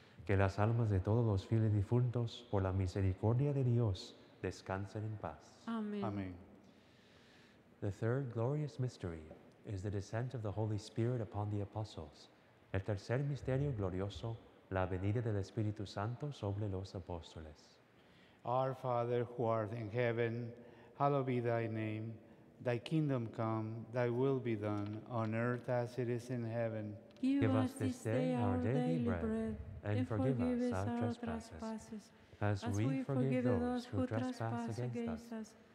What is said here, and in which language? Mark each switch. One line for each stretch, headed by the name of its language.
Spanish: Que las almas de todos los fieles difuntos, por la misericordia de Dios, descansen en paz. Amén. Amén.
English: The third glorious mystery is the descent of the Holy Spirit upon the apostles.
Spanish: El tercer misterio glorioso, la venida del Espíritu Santo sobre los apóstoles.
English: Our Father, who art in heaven, hallowed be thy name. Thy kingdom come, thy will be done, on earth as it is in heaven. Give us this day our daily bread, and forgive us our trespasses, as we forgive those who trespass against us.